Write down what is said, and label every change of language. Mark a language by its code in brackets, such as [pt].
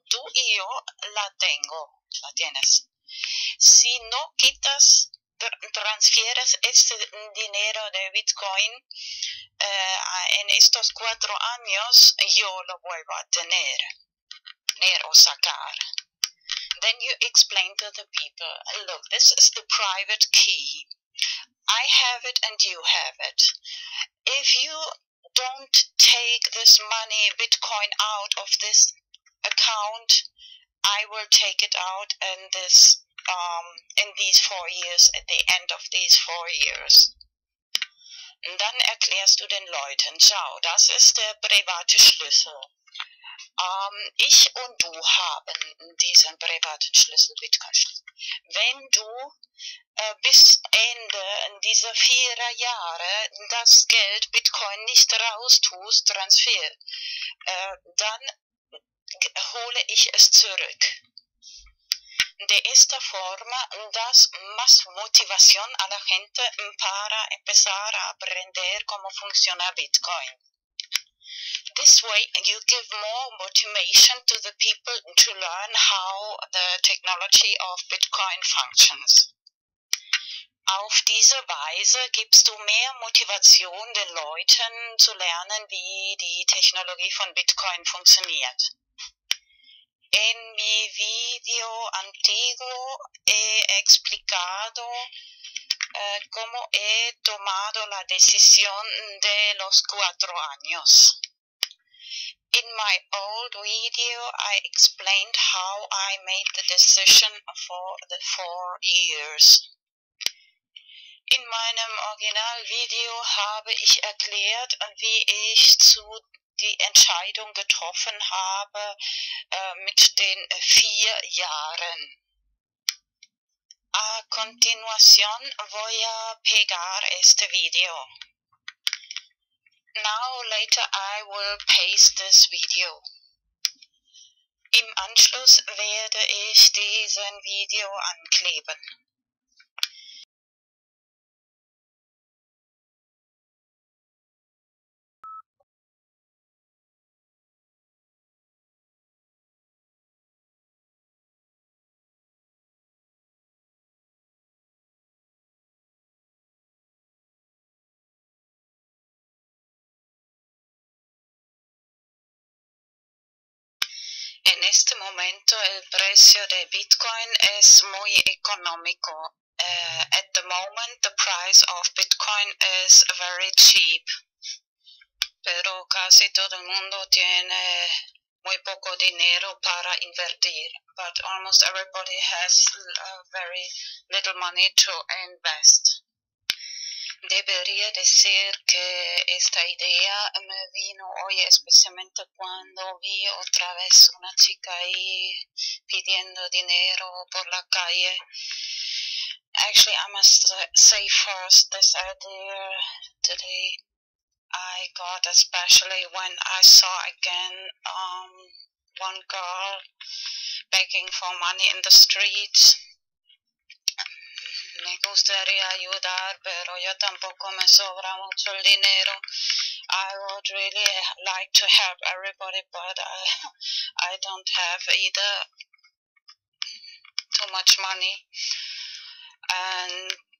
[es] Tú y yo la tengo, la tienes. Si no quitas, transfieres este dinero de Bitcoin en estos 4 años, yo lo vuelvo a tener o sacar. [en] Then you explain to the people, look, this is the private key. I have it and you have it. If you don't take this money, Bitcoin, out of this account, I will take it out and this in these 4 years, at the end of these 4 years. [de] Und dann erklärst du den Leuten, schau, das ist der private Schlüssel. Ich und du haben diesen privaten Schlüssel, Bitcoin-Schlüssel. Wenn du bis Ende dieser 4 Jahre das Geld Bitcoin nicht raus tust, Transfer, dann hole ich es zurück. [es] De esta forma das más motivación a la gente para empezar a aprender cómo funciona Bitcoin. [en] This way you give more motivation to the people to learn how the technology of Bitcoin functions. [de] Auf diese Weise gibst du mehr Motivation den Leuten zu lernen, wie die Technologie von Bitcoin funktioniert. [es] En mi video antiguo he explicado cómo he tomado la decisión de los 4 años. [en] In my old video, I explained how I made the decision for the 4 years. [de] In meinem Originalvideo habe ich erklärt, wie ich die Entscheidung getroffen habe mit den 4 Jahren. [es] A continuación voy a pegar este video. [en] Now later I will paste this video. [de] Im Anschluss werde ich diesen Video ankleben. [es] En este momento el precio de Bitcoin es muy económico. [en] At the moment the price of Bitcoin is very cheap. [es] Pero casi todo el mundo tiene muy poco dinero para invertir. [en] But almost everybody has very little money to invest. [es] Debería decir que esta idea me vino hoy especialmente cuando vi otra vez una chica ahí pidiendo dinero por la calle. [en] Actually, I must say first this idea today I got, especially when I saw again one girl begging for money in the streets. [es] Me gustaría ayudar, pero yo tampoco me sobra mucho el dinero. [en] I would really like to help everybody, but I don't have either too much money. And